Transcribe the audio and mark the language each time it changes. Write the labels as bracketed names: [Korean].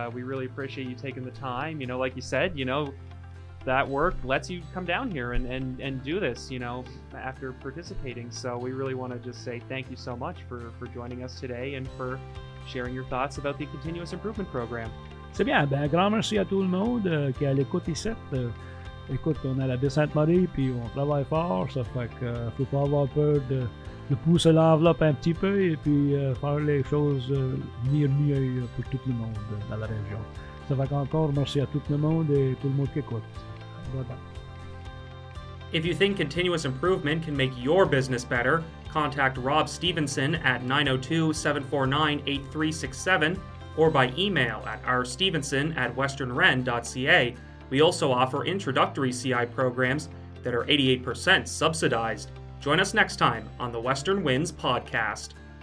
[English] We really appreciate you taking the time. You know, like you said, you know, that work lets you come down here and do this, you know, after participating. So we really want to just say thank you so much for joining us today and for sharing your thoughts about the Continuous Improvement Program. [French] C'est bien. Ben, grand merci à tout le monde qui a l'écoute ici. Écoute, on a la baie Sainte-Marie, puis on travaille fort, ça fait que faut pas avoir peur de pousser l'enveloppe un petit peu et puis faire les choses mieux pour tout le monde dans la région. Ça fait qu'encore merci à tout le monde et tout le monde qui écoute. Bye-bye. [English] If you think continuous improvement can make your business better, contact Rob Stevenson at 902-749-8367 or by email at rstevenson@westernren.ca. We also offer introductory CI programs that are 88% subsidized. Join us next time on the Western Winds podcast.